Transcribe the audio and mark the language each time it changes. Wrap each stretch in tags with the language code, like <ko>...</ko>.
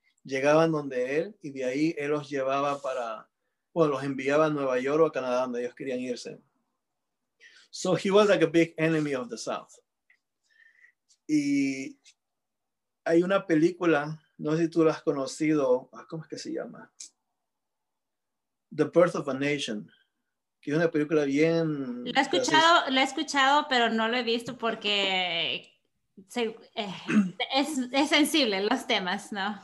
<es>Llegaban donde él, y de ahí él los llevaba para, bueno, los enviaba a Nueva York o a Canadá, donde ellos querían irse.</es> <en>So he was like a big enemy of the South.</en> <es>Y hay una película, no sé si tú la has conocido, ¿cómo es que se llama? The Birth of a Nation. Que es una película bien... Lo he escuchado, pero no lo he visto porque es sensible los temas, ¿no?</es>